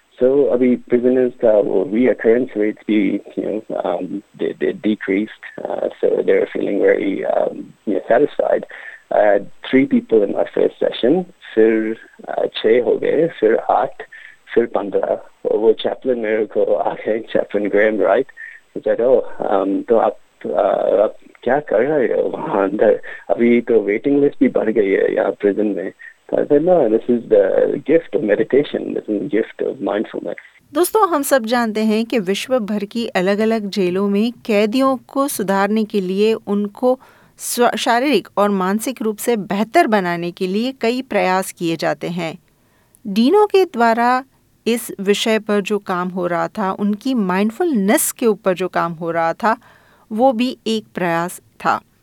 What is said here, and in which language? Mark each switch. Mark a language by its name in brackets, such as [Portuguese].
[English] So [Hindi] अभी [English] prisoners [Hindi] का वो [English] reoccurrence rates [Hindi] भी [English] they decreased, so they were feeling very satisfied. I had 3 people in my first session, [Hindi] फिर 6 हो गए, फिर 8, फिर 15. और वो chaplain मेरे को आके [English] chaplain Graham Wright said, [Hindi] तो आप क्या कर रहे हो वहाँ अंदर, अभी तो [English] waiting list [Hindi] भी बढ़ गई है यहाँ prison में, [English] I said, no, this is the gift of meditation. This is the gift of mindfulness. [Hindi] दोस्तों, हम सब जानते हैं कि विश्व भर की अलग अलग जेलों में कैदियों को सुधारने के लिए, उनको शारीरिक और मानसिक रूप से बेहतर बनाने के लिए कई प्रयास किए जाते हैं। डीनो के द्वारा इस विषय पर जो काम हो रहा था, उनकी माइंडफुलनेस के ऊपर जो काम हो रहा था, वो भी एक प्रयास था।